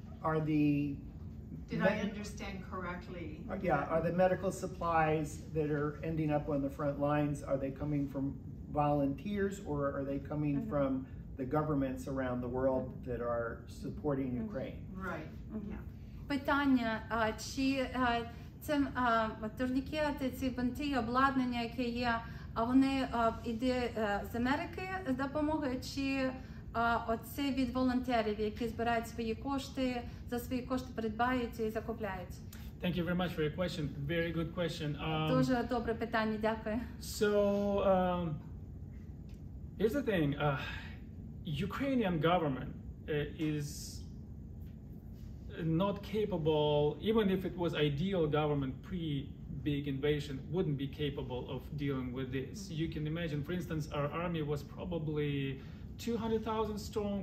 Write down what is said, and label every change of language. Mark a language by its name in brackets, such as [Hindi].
[English] Are the Did I understand correctly? Yeah. Are the medical supplies that are ending up on the front lines, are they coming from volunteers, or are they coming mm-hmm. from the governments around the world that are supporting mm-hmm. Ukraine? Right. Mm-hmm. Yeah. [Ukrainian] Питання, чи це турнікети, ці бинти, обладнання, яке є, а вони йде з Америки з допомогою, чи оце від волонтерів, які збирають свої кошти, за свої кошти придбають і закупляють? [English] Thank you very much for your question. Very good question. [Ukrainian] Дуже добре питання, дякую. [English] So, here's the thing. Ukrainian government is not capable, even if it was ideal government pre-big invasion, wouldn't be capable of dealing with this. You can imagine, for instance, our army was probably 200,000 strong.